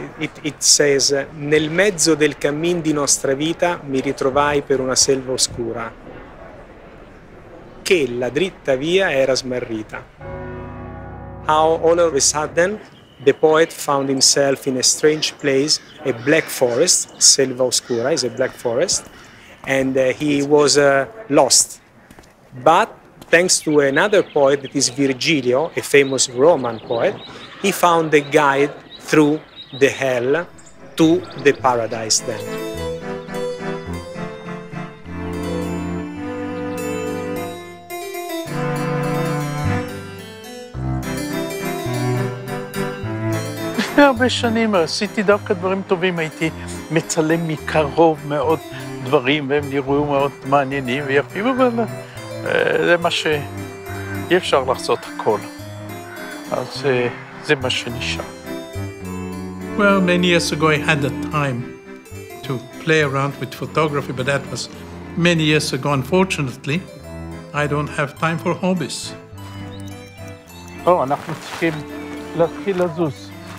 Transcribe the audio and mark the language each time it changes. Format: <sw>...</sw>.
<en>It says,</en> <it>nel mezzo del cammin di nostra vita mi ritrovai per una selva oscura, che la dritta via era smarrita.</it> <en>How all of a sudden the poet found himself in a strange place, a black forest. Selva oscura is a black forest. And he was lost. But thanks to another poet, that is Virgilio, a famous Roman poet, he found a guide through the hell to the paradise then.</en> <he>לפני הרבה שנים עשיתי דווקא דברים טובים, הייתי מצלם מקרוב מאוד דברים והם נראו מאוד מעניינים ויפים, אבל זה מה ש... אי אפשר לחזות הכל. אז זה מה שנשאר.</he> <en>Well, many years ago I had the time to play around with photography, but that was many years ago. Unfortunately, I don't have time for hobbies.</en> <he>Oh, אנחנו צריכים להתחיל לזוז.</he>